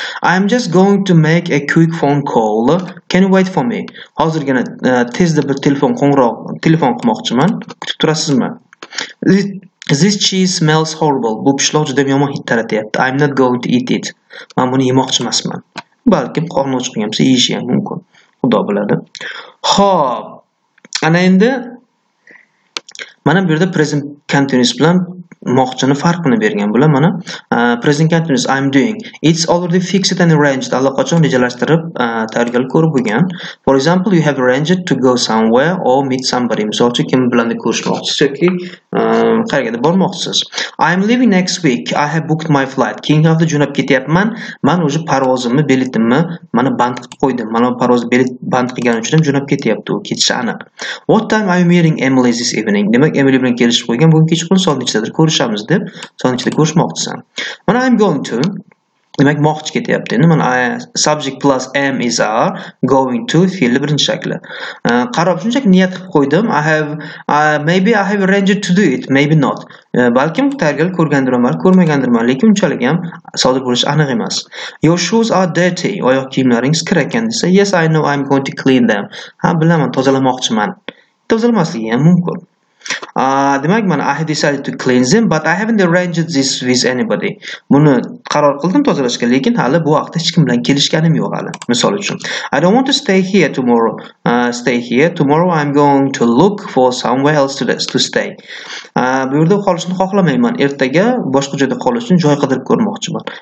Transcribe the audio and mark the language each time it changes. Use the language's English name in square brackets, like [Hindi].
[English] I am just going to make a quick phone call. Can you wait for me? [Uzbek] Hozirgina tezda bir telefon qo'ng'iroq, telefon qilmoqchiman. Kutib turasizmi? [English] This cheese smells horrible. [Uzbek] Bu pishloq juda yomon hid taratyapti. [English] I'm not going to eat it. [Uzbek] Men buni yemoqchi emasman. Balkim qorni och qilgan bo'lsa yeyish ham mumkin. Xudo biladi. Xo'p. Ana endi Mana bu yerda present continuous bilan moqchini farqini bergan. [English] Bular mana present continuous I'm doing. It's already fixed and arranged. [Uzbek] Allaqachon rejalashtirib, tayyorgarlik ko'rib bo'lgan. [English] For example, you have arranged to go somewhere or meet somebody. [Uzbek] Misolchi kim bilan ko'rishmoqchisiz yoki qayerga bormoqchisiz. [English] I'm leaving next week. I have booked my flight. [Uzbek] Keyingi hafta jo'nab ketyapman. Man o'zi parvozimni biletimni mana band qilib qo'ydim. Mana parvoz bilet band qilgan uchun jo'nab ketyapti u. Ketishi aniq. [English] What time are you meeting Emily this evening? [Uzbek] Demak, Emily bilan kelishib qo'ygan. Bugun kechqurun soat nechadir ko'rishamiz deb soat ichida ko'rishmoqchisan. Mana [English] I'm going to. [Uzbek] Demak, moqchi ketyapti. Endi mana subject plus am is are going to fe'li birinchi shakli. Qarab shunchaki niyat qilib qo'ydim. [English] Maybe I have arranged to do it, maybe not. [Uzbek] Balkim tayyorgarlik ko'rgandirman, balki ko'rmagandirman, lekin unchalik ham sodir bo'lishi aniq emas. [English] Your shoes are dirty. [Uzbek] Oyoq kiyimlaringiz kir ekan desa, [English] yes I know I'm going to clean them. [Uzbek] Ha, bilaman, tozalamoqchiman. Tozalamasligi ham mumkin. [English] Demak, mana I decided to clean them, but I haven't arranged this with anybody. [Uzbek] Buni qaror qildim tozalashga, lekin hali bu vaqtda hech kim bilan kelishganim yo'q hali. [English] Misol uchun, I don't want to stay here tomorrow. I'm going to look for somewhere else to stay. [Uzbek] Bu yerda qolishni xohlamayman. Ertaga boshqa joyda qolish uchun joy qidirib ko'rmoqchiman.